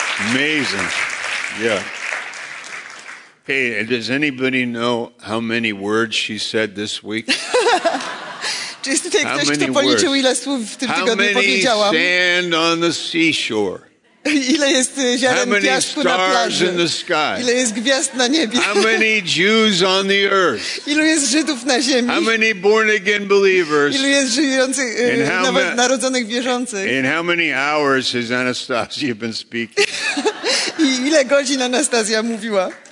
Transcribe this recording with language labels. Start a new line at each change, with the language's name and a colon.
English: Amazing. Yeah. Hey, does anybody know how many words she said this week?
Polish: Jest tutaj ktoś, kto policzył, ile słów w tym tygodniu powiedziałam.
English: Sand on the seashore?
Polish: Ile jest ziaren piasku na plaży?
English: In the sky?
Polish: Ile jest gwiazd na niebie?
English: How many Jews on the earth?
Polish: Ilu jest Żydów na ziemi?
English: How many born again believers?
Polish: Ilu jest żyjących, nawet narodzonych wierzących?
English: In how many hours has Anastasia been speaking?
Polish: I ile godzin Anastasia mówiła?